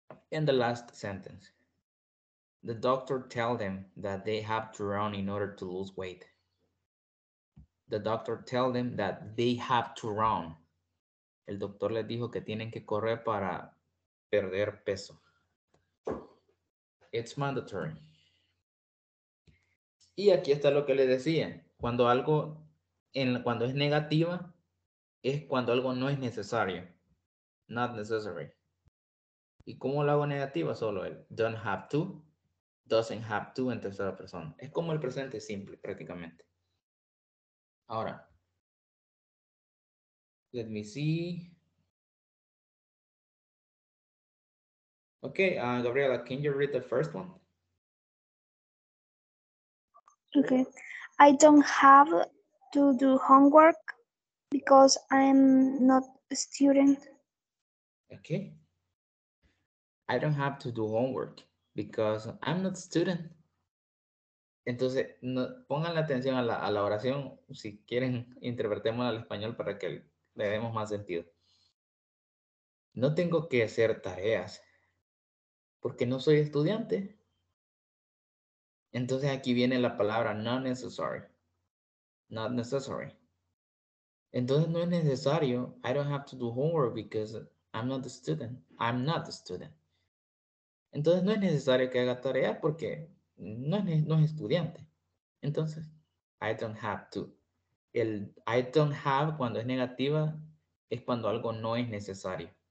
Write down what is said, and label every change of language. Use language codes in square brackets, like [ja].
[en] In the last sentence, the doctor tell them that they have to run in order to lose weight. The doctor tell them that they have to run. [es] El doctor les dijo que tienen que correr para perder peso. [en] It's mandatory. [es] Y aquí está lo que le decía. Cuando algo, cuando es negativa, es cuando algo no es necesario. [en] Not necessary. [es] ¿Y cómo lo hago negativa? Solo el [en] don't have to, doesn't have to [es] en tercera persona. Es como el presente simple, prácticamente. Ahora, [en] let me see. Okay, Gabriela, can you read the first one? Okay. I don't have to do homework because I'm not a student. Okay. I don't have to do homework because I'm not a student. [es] Entonces, no, pongan la atención a la oración. Si quieren, interpretémosla al español para que le demos más sentido. No tengo que hacer tareas porque no soy estudiante. Entonces, aquí viene la palabra [en] not necessary. Not necessary. [es] Entonces, no es necesario. [en] I don't have to do homework because I'm not a student. I'm not a student. [es] Entonces, no es necesario que haga tareas porque no es estudiante. Entonces, [en] I don't have to. [es] El I don't have, cuando es negativa, es cuando algo no es necesario.